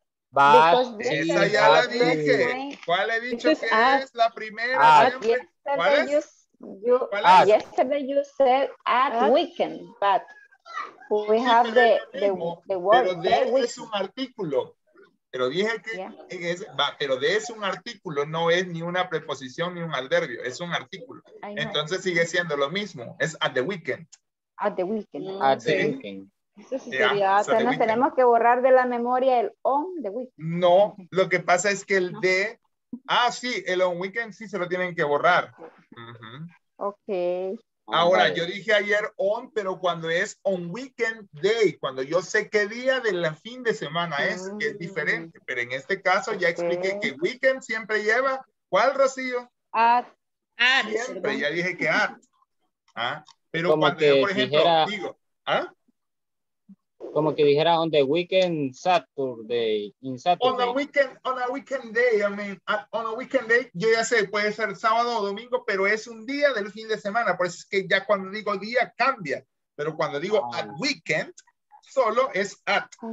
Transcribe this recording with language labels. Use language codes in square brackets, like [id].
[en] But [es] esa ya la dije. ¿Cuál he dicho que es la primera? ¿Cuál es? [en] Yesterday you said at weekend, but we have the word. [es] Pero de es un artículo. Pero dije que es, pero de es un artículo, no es ni una preposición ni un adverbio, es un artículo. Entonces sigue siendo lo mismo. Es [en] at the weekend. At the weekend. At the weekend. [es] Tenemos weekend. Que borrar de la memoria el [en] on the weekend. [es] No, lo que pasa es que el no. De. Ah, sí, el [en] on weekend [es] sí se lo tienen que borrar. Ok. Ahora, yo dije ayer on, pero cuando es [en] on weekend day, [es] cuando yo sé qué día de la fin de semana es, que es diferente. Pero en este caso ya expliqué que weekend siempre lleva ¿Cuál, Rocío? [en] At. At. [es] Siempre, ya dije que at. ¿Ah? Pero como cuando que yo, por ejemplo, dijera, digo, ¿ah? Como que dijera [en] on the weekend Saturday, in Saturday. On a weekend day, [es] I mean, on a weekend day, yo ya sé, puede ser sábado o domingo, pero es un día del fin de semana, por eso es que ya cuando digo día cambia, pero cuando digo [en] at weekend, [es] solo es at.